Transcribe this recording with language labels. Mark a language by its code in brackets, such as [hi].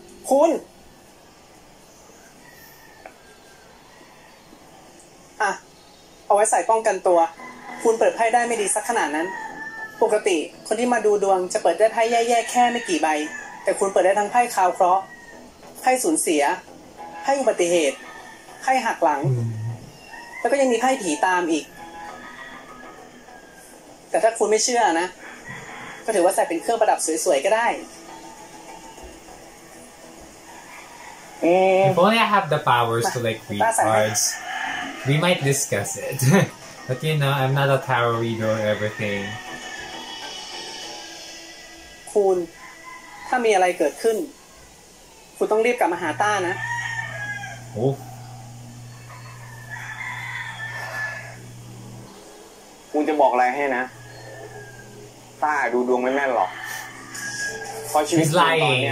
[th] คุณเอาไว้ใส่ป้องกันตัวคุณเปิดไพ่ได้ไม่ดีสักขนาดนั้นปกติคนที่มาดูดวงจะเปิดได้ไพ่แย่ๆแค่ไม่กี่ใบแต่คุณเปิดได้ทั้งไพ่คาวเคราะห์ไพ่สูญเสียไพ่อุบัติเหตุไพ่หักหลังแล้วก็ยังมีไพ่ผีตามอีกแต่ถ้าคุณไม่เชื่อนะก็ถือว่าใส่เป็นเครื่องประดับสวยๆก็ได้ [en] If only I have the powers to like read cards we might discuss it but you know I'm not a tarot reader or everything [th] คุณถ้ามีอะไรเกิดขึ้นคุณต้องรีบกลับมาหาต้านะ โอ้ คุณจะบอกอะไรให้นะต้าดูดวงไม่แม่นหรอกพอชีวิตตอนนี